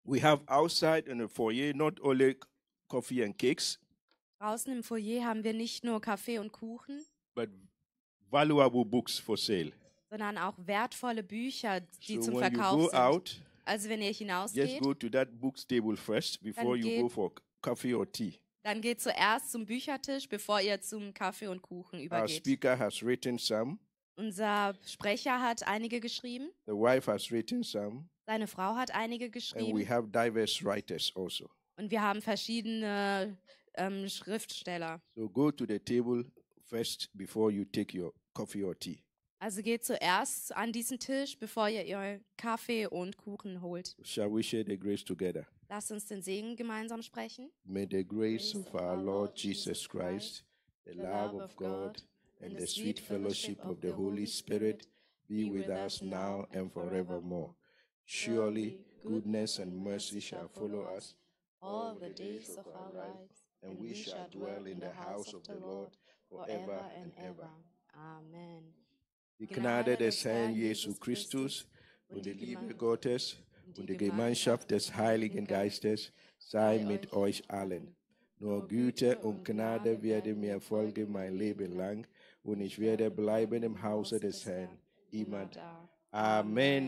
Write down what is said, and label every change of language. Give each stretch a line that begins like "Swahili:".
English: We have outside in the foyer not only coffee and cakes.
German: Draußen im Foyer haben wir nicht nur Kaffee und Kuchen,
English: but valuable books for sale.
German: Sondern auch wertvolle Bücher, die
English: so
German: zum Verkauf sind.
English: Out,
German: also wenn ihr hinausgeht,
English: just go to that books table first before you go for coffee or tea.
German: Dann geht zuerst zum Büchertisch, bevor ihr zum Kaffee und Kuchen übergeht.
English: Our speaker has written some.
German: Unser Sprecher hat einige geschrieben.
English: The wife has written some.
German: Seine Frau hat einige geschrieben.
English: And we have diverse writers also.
German: Und wir haben verschiedene Schriftsteller.
English: So go to the table first before you take your coffee or tea.
German: Also geht zuerst an diesen Tisch, bevor ihr euren Kaffee und Kuchen holt.
English: Shall we share the grace together?
German: Lasst uns den Segen gemeinsam sprechen.
English: May the grace of our Lord Jesus Christ, the love of God, and the sweet fellowship of the Holy Spirit be with us now and forevermore. Surely goodness and mercy shall follow us all the days of our lives, and we shall dwell in the house of the Lord forever and ever. Amen.
German: Gnade des Herrn Jesu Christus und die Liebe Gottes und die Gemeinschaft des Heiligen Geistes sei mit euch allen. Nur Güte und Gnade werde mir folgen mein Leben lang und ich werde bleiben im Hause des Herrn immer da. Amen.